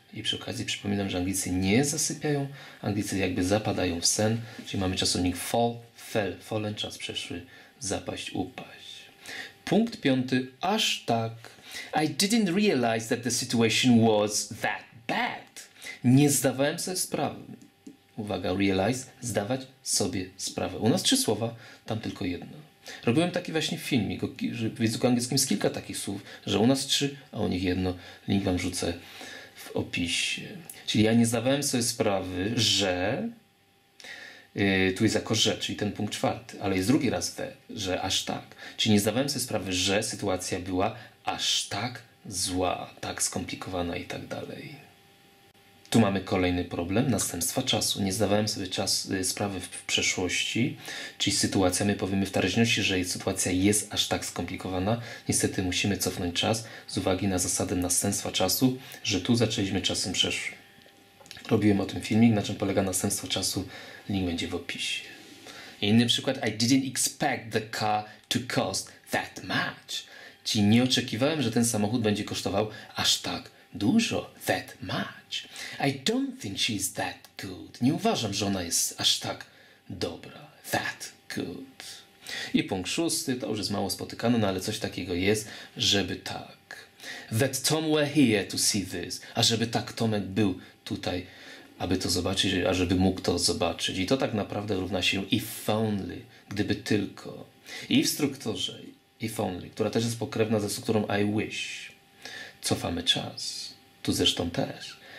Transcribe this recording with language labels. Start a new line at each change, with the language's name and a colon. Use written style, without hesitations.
Polish: I przy okazji przypominam, że Anglicy nie zasypiają. Anglicy jakby zapadają w sen. Czyli mamy czasownik fall, fell, fallen, czas przeszły, zapaść, upaść. Punkt piąty, aż tak.
English: I didn't realize that the situation was that bad.
Polish: Nie zdawałem sobie sprawy. Uwaga, realize, zdawać sobie sprawę. U nas trzy słowa, tam tylko jedno. Robiłem taki właśnie filmik, że w języku angielskim jest kilka takich słów, że u nas trzy, a u nich jedno. Link wam rzucę w opisie. Czyli ja nie zdawałem sobie sprawy, że... tu jest jako że, czyli ten punkt czwarty, ale jest drugi raz te, że aż tak. Czyli nie zdawałem sobie sprawy, że sytuacja była aż tak zła, tak skomplikowana i tak dalej. Tu mamy kolejny problem, następstwa czasu. Nie zdawałem sobie sprawy w przeszłości, czyli sytuacja, my powiemy w teraźniejszości, że sytuacja jest aż tak skomplikowana. Niestety musimy cofnąć czas z uwagi na zasadę następstwa czasu, że tu zaczęliśmy czasem przeszłym. Robiłem o tym filmik, na czym polega następstwo czasu, link będzie w opisie. Inny przykład,
English: I didn't expect the car to cost that much.
Polish: Czyli nie oczekiwałem, że ten samochód będzie kosztował aż tak dużo,
English: that much. I don't think she's that good.
Polish: Nie uważam, że ona jest aż tak dobra,
English: that good.
Polish: I punkt szósty, to już jest mało spotykane, no ale coś takiego jest, żeby tak.
English: That Tom were here to see this.
Polish: A żeby tak Tomek był tutaj, aby to zobaczyć, a żeby mógł to zobaczyć. I to tak naprawdę równa się if only, gdyby tylko. I w strukturze if only, która też jest pokrewna ze strukturą I wish, cofamy czas. Tu zresztą też.